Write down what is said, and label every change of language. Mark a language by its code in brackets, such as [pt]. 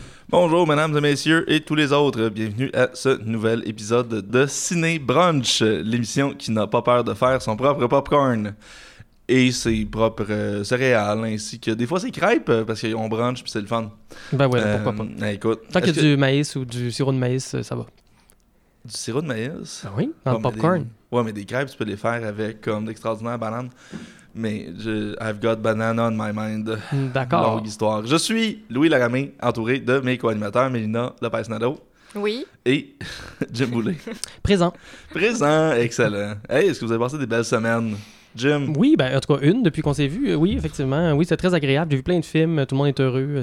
[fr] Bonjour mesdames et messieurs et tous les autres, bienvenue à ce nouvel épisode de Ciné Brunch, l'émission qui n'a pas peur de faire son propre popcorn et ses propres céréales, ainsi que des fois ses crêpes, parce qu'on brunch puis c'est le fun. Ben ouais, pourquoi pas. Écoute, tant qu'il y a du maïs ou du sirop de maïs, ça va. Du sirop de maïs? Ah oui, dans le popcorn. Ouais, mais des crêpes, tu peux les faire avec comme d'extraordinaires bananes. Mais [en] I've got banana on my mind. [fr] D'accord. Longue histoire. Je suis Louis Laramé, entouré de mes co-animateurs, Mélina Lopez-Nadeau. Oui. Et Jim Boulay. Présent. Présent, excellent. Hey, est-ce que vous avez passé des belles semaines, Jim? Oui, ben en tout cas une depuis qu'on s'est vu. Oui, effectivement. Oui, c'est très agréable. J'ai vu plein de films. Tout le monde est heureux.